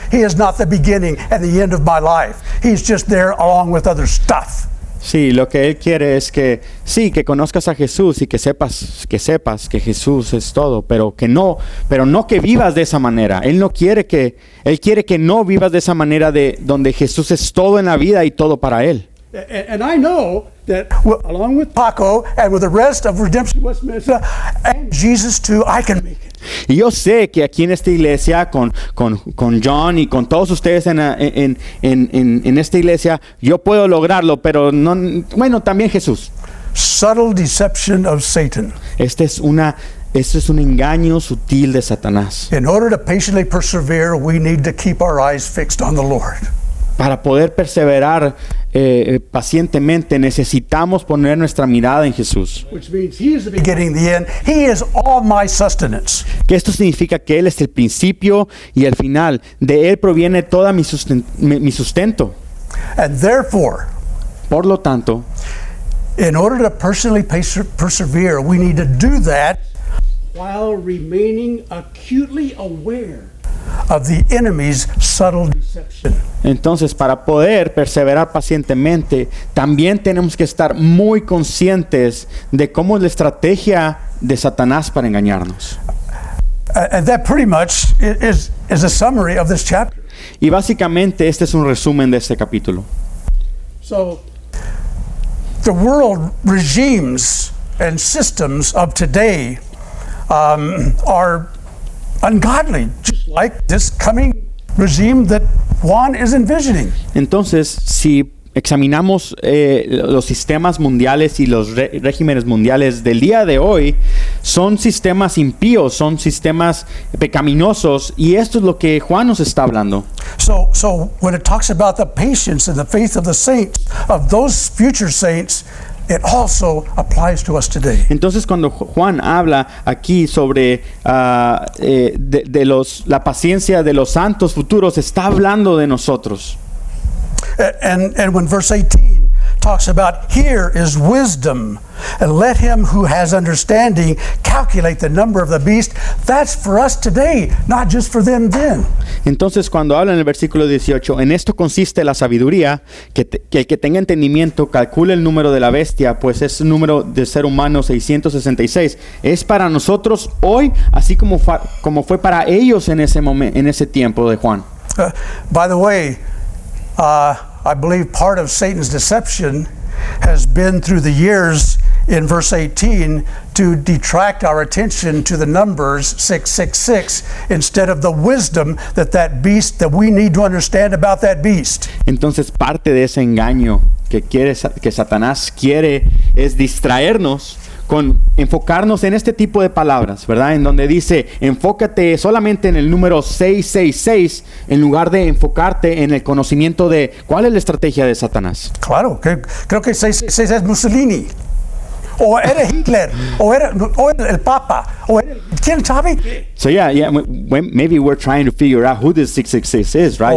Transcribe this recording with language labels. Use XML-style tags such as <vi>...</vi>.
<en>He is not the beginning and the end of my life. He's just there along with other stuff.</en> <es>Sí, lo que él quiere es que sí, que conozcas a Jesús y que sepas que Jesús es todo, pero no que vivas de esa manera. Él quiere que no vivas de esa manera de donde Jesús es todo en la vida y todo para él.</es> <en>And I know that along with Paco and with the rest of Redemption West Mesa and Jesus too, I can make it.</en> <es>Y yo sé que aquí en esta iglesia con John y con todos ustedes en esta iglesia yo puedo lograrlo, pero no, bueno, también Jesús.</es> <en>Subtle deception of Satan.</en> <es>Este es un engaño sutil de Satanás.</es> <en>In order to patiently persevere, we need to keep our eyes fixed on the Lord.</en> <es>Para poder perseverar pacientemente necesitamos poner nuestra mirada en Jesús.</es> <en>Which means he is the beginning, the end. He is all my sustenance.</en> <es>Que esto significa que él es el principio y el final. De él proviene toda mi sustento.</es> <en>And therefore,</en> <es>por lo tanto,</es> <en>in order to personally persevere, we need to do that while remaining acutely aware of the enemy's subtle deception.</en> <es>Entonces, para poder perseverar pacientemente, también tenemos que estar muy conscientes de cómo es la estrategia de Satanás para engañarnos.</es> <en>And that pretty much is a summary of this chapter.</en> <es>Y básicamente este es un resumen de este capítulo.</es> <en>So, the world regimes and systems of today are ungodly, just like this coming regime that Juan is envisioning.</en> <es>Entonces, si examinamos los sistemas mundiales y los regímenes mundiales del día de hoy, son sistemas impíos, son sistemas pecaminosos, y esto es lo que Juan nos está hablando.</es> <en>So when it talks about the patience and the faith of the saints, of those future saints, it also applies to us today.</en> <es>Entonces, cuando Juan habla aquí sobre la paciencia de los santos futuros, está hablando de nosotros.</es> <en>And when verse 18 talks about here is wisdom, and let him who has understanding calculate the number of the beast, that's for us today, not just for them then.</en> <es>Entonces, cuando habla en el versículo 18, en esto consiste la sabiduría, que el que tenga entendimiento calcule el número de la bestia, pues es el número de ser humano 666, es para nosotros hoy, así como fue para ellos en ese momento, en ese tiempo de Juan.</es> <en>By the way, I believe part of Satan's deception has been through the years in verse 18 to detract our attention to the numbers 666 instead of the wisdom that beast, that we need to understand about that beast.</en> <es>Entonces, parte de ese engaño que Satanás quiere es distraernos con enfocarnos en este tipo de palabras, ¿verdad? En donde dice, enfócate solamente en el número 666, en lugar de enfocarte en el conocimiento de cuál es la estrategia de Satanás. Claro, creo que 666 es Mussolini, o era Hitler, o era el Papa, o era, ¿quién sabe?</es> <en>So maybe we're trying to figure out who this 666 is, right?</en>